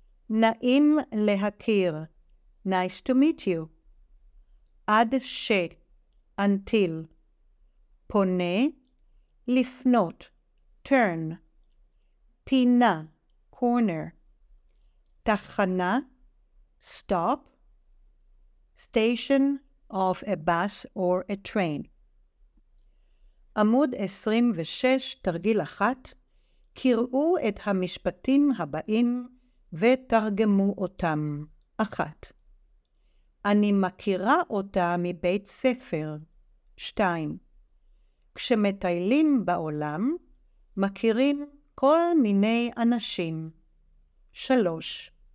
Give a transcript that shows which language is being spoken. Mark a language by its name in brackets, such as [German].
[Hebrew] נעים להכיר. [English] Nice to meet you. [Hebrew] עד ש, until. פונה, לפנות. Turn. פינה, corner. תחנה, stop. [English] Station of a bus or a train. [Hebrew] עמוד 26, תרגיל 1. קראו את המשפטים הבאים ותרגמו אותם. 1. אני מכירה אותה מבית ספר. 2. כשמטיילים בעולם, מכירים כל מיני אנשים. 3.